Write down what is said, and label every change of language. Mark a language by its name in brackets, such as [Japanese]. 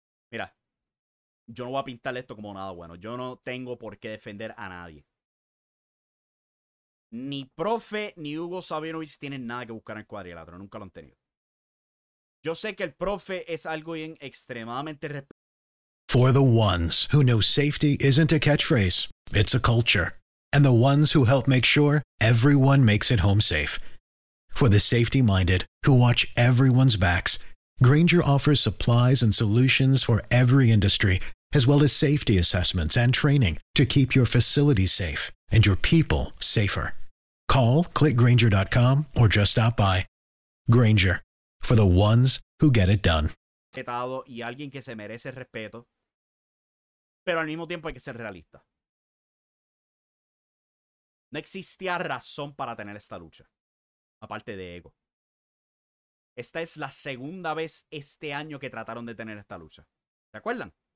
[Spanish] Mira, yo no voy a pintar esto como nada bueno. Yo no tengo por qué defender a nadie. Ni profe ni Hugo Sabinovich tienen nada que buscar en el cuadrilátero. Nunca lo han tenido. Yo sé que el profe es algo bien extremadamente respetable. [English] For the ones who know safety isn't a catchphrase, it's a culture. And the ones who help make sure everyone makes it home safe. For the safety-minded who watch everyone's backs, Grainger offers supplies and solutions for every industry, as well as safety assessments and training to keep your facilities safe and your people safer. Call, click Grainger.com, or just stop by. Grainger, for the ones who get it done. [Spanish] Y alguien que se merece respeto, pero al mismo tiempo hay que ser realista. No existía razón para tener esta lucha, aparte de ego. Esta es la segunda vez este año que trataron de tener esta lucha. ¿Se acuerdan?